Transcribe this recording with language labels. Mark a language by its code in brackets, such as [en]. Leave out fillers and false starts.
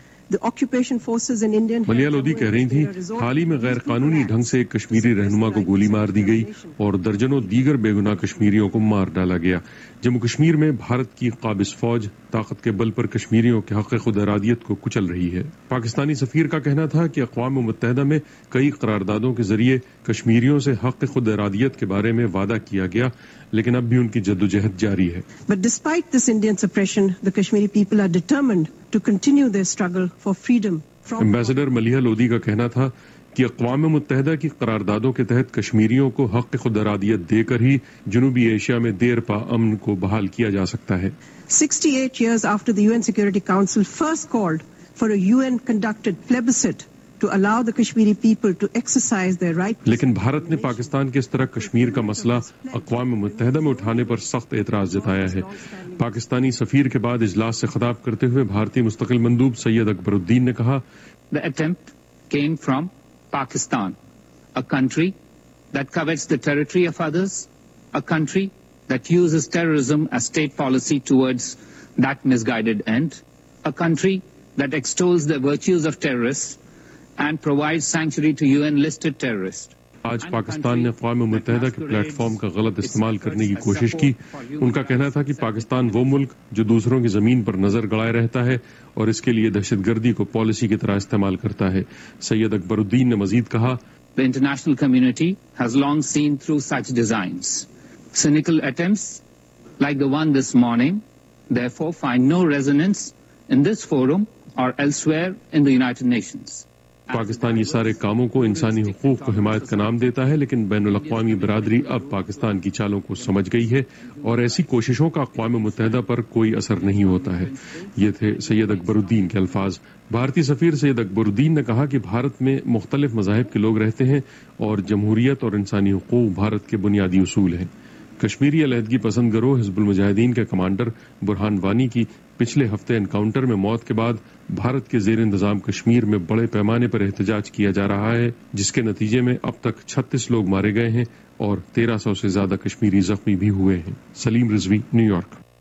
[ur] ملیا لودھی کہہ رہی تھی، حال ہی میں غیر قانونی ڈھنگ سے ایک کشمیری رہنما کو گولی مار دی گئی اور درجنوں دیگر بے گناہ کشمیریوں کو مار ڈالا گیا۔ جموں کشمیر میں بھارت کی قابض فوج طاقت کے بل پر کشمیریوں کے حق خود ارادیت کو کچل رہی ہے۔ پاکستانی سفیر کا کہنا تھا کہ اقوام متحدہ میں کئی قراردادوں کے ذریعے کشمیریوں سے حق خود ارادیت کے بارے میں وعدہ کیا گیا، لیکن اب بھی ان کی جدوجہد جاری ہے۔ [en] But despite this Indian suppression, the Kashmiri people are determined to continue their struggle for freedom from... [ur] Ambassador Millia Lodhi کا کہنا تھا کہ اقوام متحدہ کی قراردادوں کے تحت کشمیریوں کو حق خود ارادیت دے کر ہی جنوبی ایشیا میں دیر پا امن کو بحال کیا جا سکتا ہے۔ [en] 68 years after the UN Security Council first called for a UN conducted plebiscite to allow the Kashmiri people to exercise their right... [ur] لیکن بھارت نے پاکستان کے اس طرح کشمیر کا مسئلہ اقوام متحدہ میں اٹھانے پر سخت اعتراض جتایا ہے۔ پاکستانی سفیر کے بعد اجلاس سے خطاب کرتے ہوئے بھارتی مستقل مندوب سید اکبر الدین نے کہا، [en] The attempt came from Pakistan, a country that covets the territory of others, a country that uses terrorism as state policy towards that misguided end, a country that extols the virtues of terrorists and provides sanctuary to UN listed terrorists. [ur] آج پاکستان نے اقوام متحدہ کے plate form کا غلط استعمال کرنے کی کوشش کی۔ ان کا کہنا تھا کہ پاکستان وہ ملک جو دوسروں کی زمین پر نظر گڑائے رہتا ہے اور اس کے لیے دہشت گردی کو پالیسی کی طرح استعمال کرتا ہے۔ سید اکبر الدین نے مزید کہا، [en] The international community has long seen through such designs. Cynical attempts like the one this morning therefore find no resonance in this forum or elsewhere in the United Nations. [ur] Pakistan یہ سارے کاموں کو انسانی حقوق کو حمایت کا نام دیتا ہے، لیکن بین الاقوامی برادری اب پاکستان کی چالوں کو سمجھ گئی ہے اور ایسی کوششوں کا اقوام متحدہ پر کوئی اثر نہیں ہوتا ہے۔ یہ تھے سید اکبر الدین کے الفاظ۔ بھارتی سفیر سید اکبر الدین نے کہا کہ بھارت میں مختلف مذاہب کے لوگ رہتے ہیں اور جمہوریت اور انسانی حقوق بھارت کے بنیادی اصول ہیں۔ کشمیری علیحدگی پسند گروہ حزب المجاہدین کے کمانڈر برہان وانی کی پچھلے ہفتے انکاؤنٹر میں موت کے بعد بھارت کے زیر انتظام کشمیر میں بڑے پیمانے پر احتجاج کیا جا رہا ہے، جس کے نتیجے میں اب تک 36 لوگ مارے گئے ہیں اور 1300 سے زیادہ کشمیری زخمی بھی ہوئے ہیں۔ سلیم رضوی، نیو یارک۔